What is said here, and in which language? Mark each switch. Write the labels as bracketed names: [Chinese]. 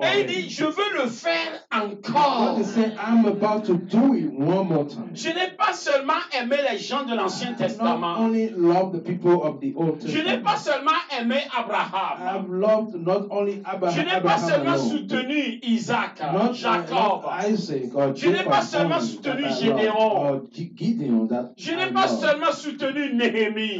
[French] Et il dit, je veux le faire encore. [English] God is saying, I'm about to do it one more time. [French] Je n'ai pas seulement aimé les gens de l'Ancien Testament. [English] Not only loved the people of the Old Testament. [French] Je n'ai pas seulement aimé Abraham. [English] I've loved not only Abraham. [French] Je n'ai pas seulement soutenu Isaac, [English] not Jacob, Isaac or [French] je n'ai pas seulement soutenu Gédéon. [English] That [French] je n'ai pas seulement soutenu Néhémie.